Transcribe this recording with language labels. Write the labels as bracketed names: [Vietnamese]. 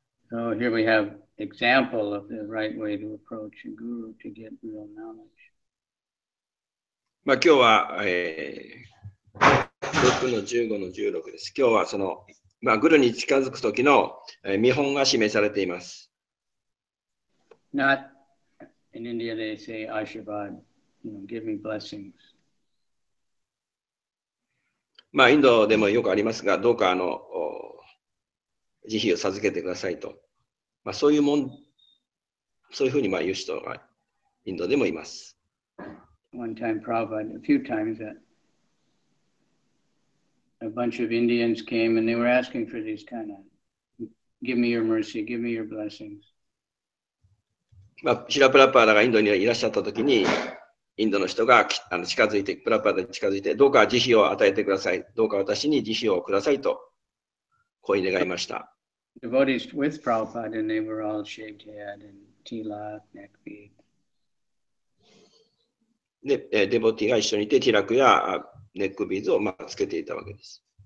[English] So here we have example of the right way to approach a guru to get real knowledge. [Japanese] まあ今日は、6の15の16です。今日はその、まあ、グルに近づく時の、見本が示されています。 [English] Not in India they say Ashirvad, you know, give me blessings. [Japanese] まあインドでもよくありますが、どうかあの慈悲を授けてくださいと。まあそういうもん、そういうふうにまあ言う人がインドでもいます。 [English] One time Prabhupada, a few times that a bunch of Indians came and they were asking for these kind of give me your mercy, give me your blessings. [Japanese] まあ、シラ・プラパーダがインドにいらっしゃったときに、インドの人が近づいて、プラパーダに近づいて、どうか慈悲を与えてください、どうか私に慈悲をくださいと、こう願いました。 [English] Devotees with Prabhupada and they were all shaved head and tilak, neck beard. [Japanese] で、デボティが一緒にいて、ティラクやネックビーズを、まあ、つけていたわけです。